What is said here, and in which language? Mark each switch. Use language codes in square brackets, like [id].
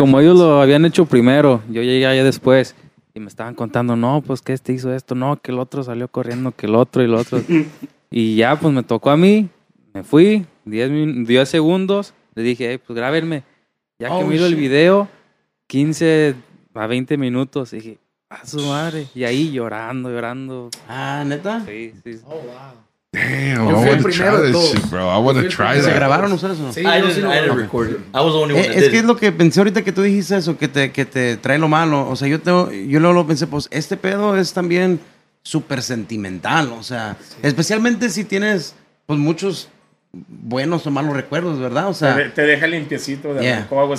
[es] Como ellos lo habían hecho primero, yo llegué allá después y me estaban contando, no, pues que este hizo esto, no, que el otro salió corriendo, que el otro y el otro... Y ya, pues me tocó a mí, me fui, 10 segundos, le dije, hey, pues grábenme. Ya que miro el video, 15 a 20 minutos, dije, A su madre. Y ahí llorando, llorando. Ah, ¿neta? Sí, sí. [en] Oh, wow. Damn, yo I want to try this shit, bro. I want to try that. [es] ¿Se grabaron ustedes o no? [en] Sí, I didn't record it. I was the only one that did. [es] Es que es lo que pensé ahorita que tú dijiste eso, que te trae lo malo. O sea, yo luego lo pensé, pues, este pedo es también súper sentimental. O sea, sí. Especialmente si tienes, pues, muchos buenos o malos recuerdos, ¿verdad? O sea, te deja limpiecito de alcohol, güey.